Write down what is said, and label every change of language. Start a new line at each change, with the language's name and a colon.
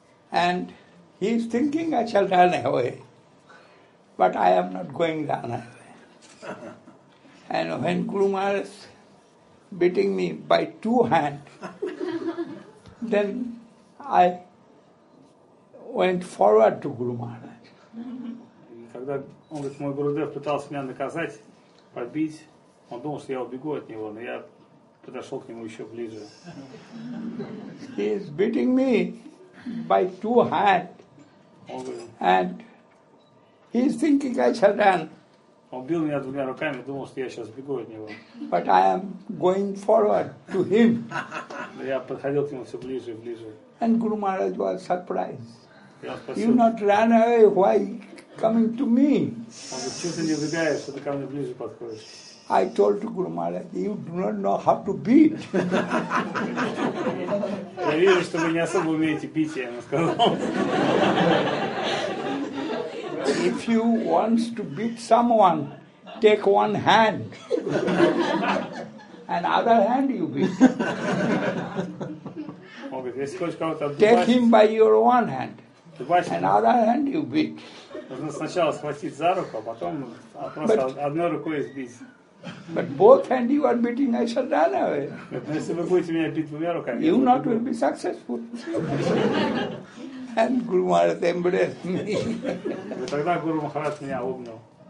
English: And he's thinking I shall run away. But I am not going run away. And when Guru Maharaj beating me by two hands, then I went forward to Guru Maharaj.
Russian: Когда он говорит, мой Гурудев пытался меня наказать, побить, он думал, что я убегу от него, но я подошел к нему еще ближе.
English: He is beating me by two hands. And he is thinking I shall run.
Russian: Он бил меня двумя руками, думал, что я сейчас бегу от него.
English: But I am going forward to him.
Russian: Но я подходил к нему все ближе и ближе.
English: And Guru Maharaj was surprised. You not run away, why coming to me?
Russian: Он говорит, что ты не убегаешь, что ты ко мне ближе подходишь.
English: I told Guru Maharaj, you do not know how to beat.
Russian: Я вижу, что вы не особо умеете бить, я ему сказал.
English: If you want to beat someone, take one hand. And other hand you beat.
Russian: Он говорит, если хочешь кого-то отбивать...
English: Take him by your one hand. And other hand you beat.
Russian: Нужно сначала схватить за руку, а потом просто одной рукой сбить.
English: But both hand you are beating, I shall run away.
Russian: Если вы будете меня бить двумя руками,
English: you not will be successful. And Guru Maharaj embraced me.
Russian: Тогда Гуру Махарадж меня обнял.